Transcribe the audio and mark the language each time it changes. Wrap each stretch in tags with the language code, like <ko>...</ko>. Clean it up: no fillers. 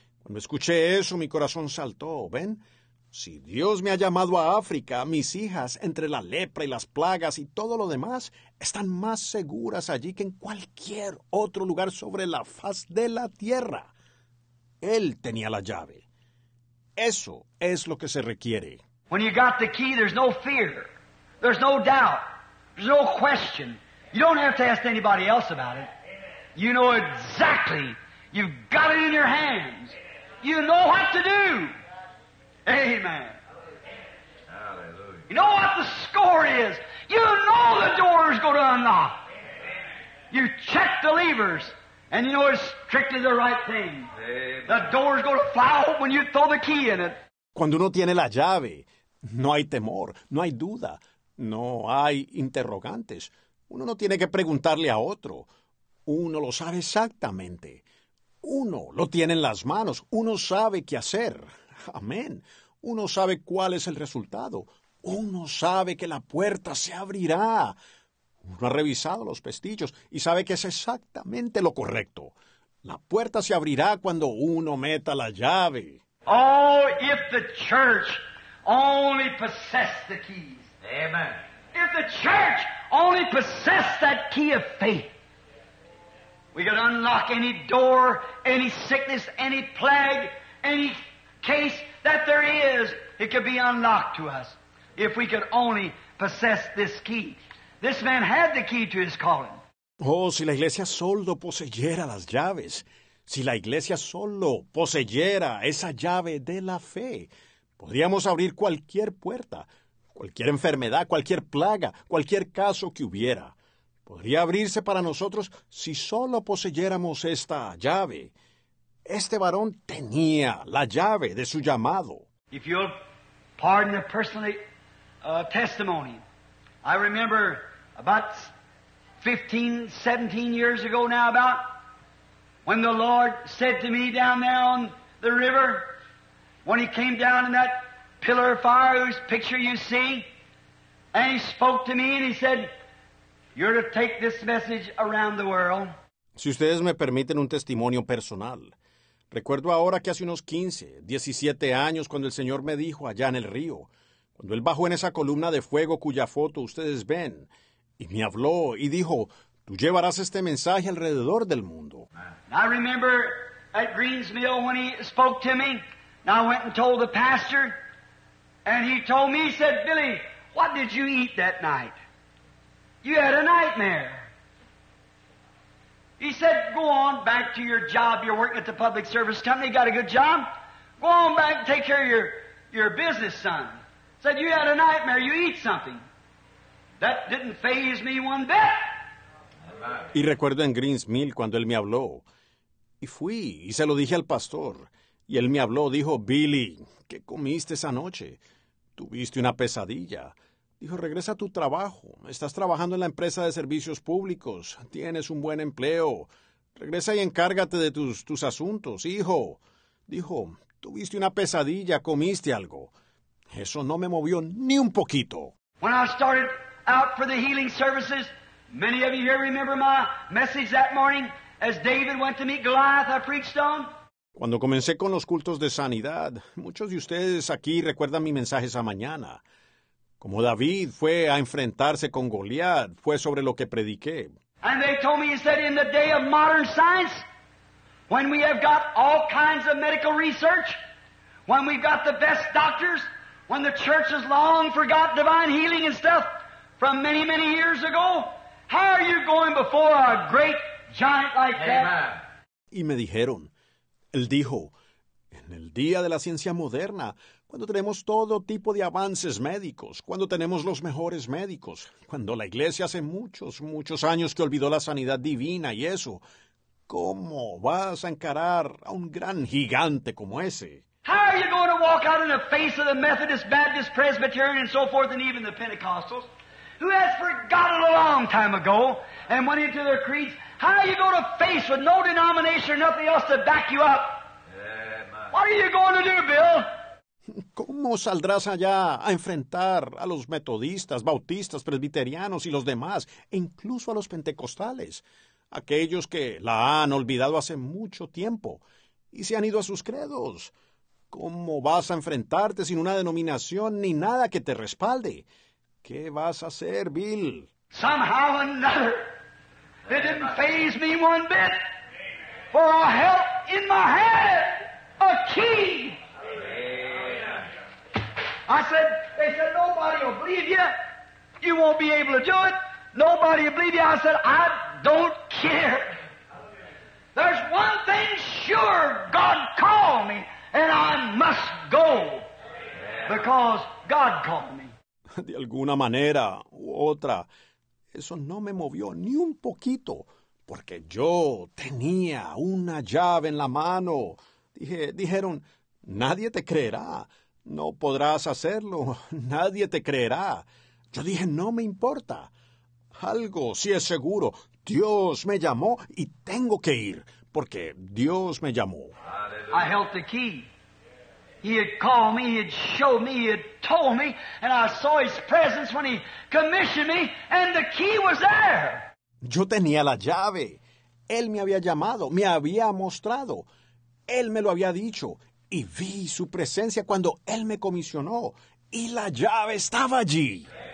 <es>Cuando escuché eso, mi corazón saltó, ¿ven? Si Dios me ha llamado a África, mis hijas, entre la lepra y las plagas y todo lo demás, están más seguras allí que en cualquier otro lugar sobre la faz de la tierra. Él tenía la llave. Eso es lo que se requiere.</es> <en>When you got the key, there's no fear. There's no doubt. There's no question. You don't have to ask anybody else about it. You know exactly. You've got it in your hands. You know what to do. Amen. Hallelujah. You know what the score is. You know the door is going to unlock. Amen. You check the levers, and you know it's strictly the right thing. Amen. The door is going to fly open when you throw the key in it.</en> <es>Cuando uno tiene la llave, no hay temor, no hay duda, no hay interrogantes. Uno no tiene que preguntarle a otro. Uno lo sabe exactamente. Uno lo tiene en las manos. Uno sabe qué hacer. Amén. Uno sabe cuál es el resultado. Uno sabe que la puerta se abrirá. Uno ha revisado los pestillos y sabe que es exactamente lo correcto. La puerta se abrirá cuando uno meta la llave.</es> <en>Oh, if the church only possessed the keys. Amen. If the church only possessed that key of faith. We could unlock any door, any sickness, any plague, any case that there is. It could be unlocked to us if we could only possess this key. This man had the key to his calling.</en> <es>Oh, si la iglesia solo poseyera las llaves. Si la iglesia solo poseyera esa llave de la fe, podríamos abrir cualquier puerta, cualquier enfermedad, cualquier plaga, cualquier caso que hubiera. Podría abrirse para nosotros si solo poseyéramos esta llave. Este varón tenía la llave de su llamado.</es> <en>If you'll pardon the personal testimony, I remember about 15, 17 years ago now about when the Lord said to me down there on the river, when he came down in that pillar of fire whose picture you see, and he spoke to me and he said, you're to take this message around the world.</en> <es>Si ustedes me permiten un testimonio personal, recuerdo ahora que hace unos 15, 17 años cuando el Señor me dijo allá en el río, cuando Él bajó en esa columna de fuego cuya foto ustedes ven, y me habló y dijo, tú llevarás este mensaje alrededor del mundo.</es> <en>I remember at Green's Mill when he spoke to me, and I went and told the pastor, and he told me, he said, Billy, what did you eat that night? You had a nightmare. He said, go on back to your job. You're working at the public service company. You got a good job. Go on back and take care of your business, son. Said, you had a nightmare. You eat something. That didn't faze me one bit.</en> <es>Y recuerdo en Green's Mill cuando él me habló. Y fui y se lo dije al pastor. Y él me habló, dijo, Billy, ¿qué comiste esa noche? Tuviste una pesadilla. Dijo, regresa a tu trabajo. Estás trabajando en la empresa de servicios públicos. Tienes un buen empleo. Regresa y encárgate de tus asuntos, hijo. Dijo, tuviste una pesadilla, comiste algo. Eso no me movió ni un poquito.</es> <en>When I started out for the healing services, many of you here remember my message that morning as David went to meet Goliath, I preached on.</en> <es>Cuando comencé con los cultos de sanidad, muchos de ustedes aquí recuerdan mi mensaje esa mañana. Como David fue a enfrentarse con Goliat, fue sobre lo que prediqué.</es> <en>And they told me, he said, in the day of modern science, when we have got all kinds of medical research, when we've got the best doctors, when the church has long forgot divine healing and stuff from many, many years ago, how are you going before a great giant like Amen. That?</en> <es>Y me dijeron, él dijo, en el día de la ciencia moderna, cuando tenemos todo tipo de avances médicos, cuando tenemos los mejores médicos, cuando la iglesia hace muchos, muchos años que olvidó la sanidad divina y eso, ¿cómo vas a encarar a un gran gigante como ese?</es> <en>How are you going to walk out in the face of the Methodist, Baptist, Presbyterian, and so forth, and even the Pentecostals, who has forgotten a long time ago and went into their creeds? How are you going to face with no denomination or nothing else to back you up? What are you going to do, Bill?</en> <es>¿Cómo saldrás allá a enfrentar a los metodistas, bautistas, presbiterianos y los demás, e incluso a los pentecostales, aquellos que la han olvidado hace mucho tiempo y se han ido a sus credos? ¿Cómo vas a enfrentarte sin una denominación ni nada que te respalde? ¿Qué vas a hacer, Bill?</es> <en>Somehow or another, it didn't faze me one bit, for I held in my head a key. They said, nobody will believe you. You won't be able to do it. Nobody will believe you. I said, I don't care. There's one thing sure, God called me, and I must go. Because God called me.</en> <es>De alguna manera u otra, eso no me movió ni un poquito, porque yo tenía una llave en la mano. Dijeron, nadie te creerá. No podrás hacerlo. Nadie te creerá. Yo dije, no me importa. Algo sí es seguro. Dios me llamó y tengo que ir, porque Dios me llamó.</es> <en>I held the key. He had called me, he had showed me, he had told me, and I saw his presence when he commissioned me, and the key was there.</en> <es>Yo tenía la llave. Él me había llamado, me había mostrado. Él me lo había dicho. Y vi su presencia cuando él me comisionó, y la llave estaba allí.</es>